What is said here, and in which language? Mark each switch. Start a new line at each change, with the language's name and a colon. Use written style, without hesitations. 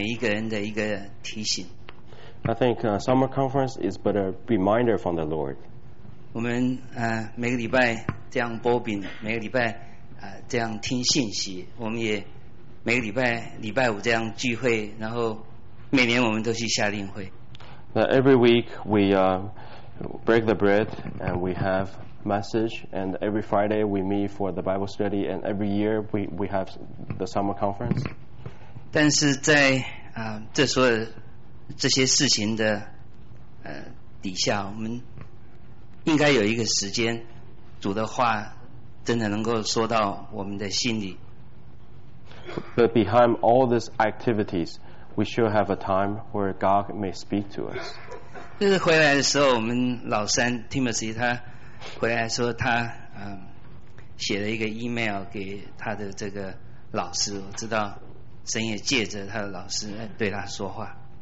English: I think summer conference is but a reminder from the Lord.
Chinese: 我们, 每个礼拜这样播饼, 每个礼拜, 这样听信息, 我们也, 每个礼拜, 礼拜五这样聚会, 然后每年我们都去夏令会。
English: That every week we break the bread and we have message, and every Friday we meet for the Bible study, and every year we have the summer conference.
Chinese: 但是在, 这些事情的, 底下, 我们应该有一个时间, 主的话真的能够说到我们的心里。
English: But behind all these activities, we should have a time where God may speak to us.
Chinese: 就是回来的时候, 我们老三, Timothy, 他, 回来说他, 写了一个email给他的这个老师, 我知道神也借着他的老师对他说话。